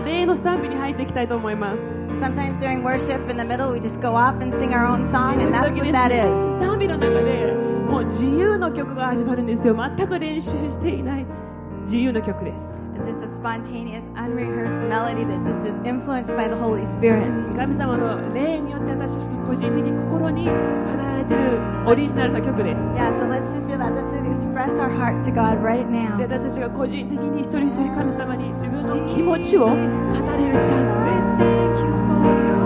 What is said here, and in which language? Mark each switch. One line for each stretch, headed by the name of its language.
Japanese: 霊の賛美に入っていきたいと思います。
English: Sometimes during worship in the middle we just go off and sing our own song and that's what that is.
Japanese: 賛美の中でもう自由の曲が始まるんですよ。全く練習していない自由の曲です。
English: It's just a spontaneous unrehearsed melody that just is influenced by the Holy Spirit.
Japanese: 神様の霊によって私たちの個人的に心に語られているオリジナルの曲です。
English: Yeah, so let's just do that. Let's just express our heart to God right now.
Japanese: 私たちが個人的に一人一人神様に自分の気持ちを語れるチャンスです。